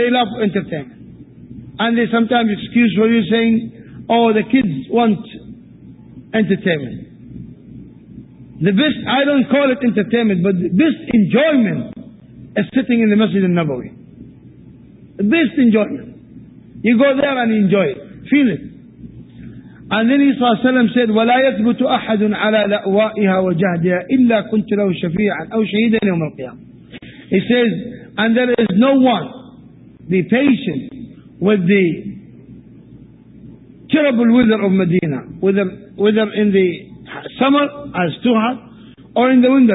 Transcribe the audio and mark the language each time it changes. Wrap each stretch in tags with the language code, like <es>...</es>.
<en>They love entertainment. And they sometimes excuse for you saying, oh, the kids want entertainment. The best, I don't call it entertainment, but the best enjoyment is sitting in the Masjid al-Nabawi. The best enjoyment. You go there and enjoy it. Feel it. And then Isa Salam said,</en> <ar>وَلَا يَثْبُتُ أَحَدٌ عَلَى لَأْوَائِهَا وَجَهْدِهَا إِلَّا كُنْتُ لَهُ شَفِيعًا أَوْ شَهِيدًا يَوْمَ الْقِيَامَةِ.</ar> <en>He says, and there is no one, be patient with the terrible weather of Medina, whether in the summer as too hot or in the winter.</en>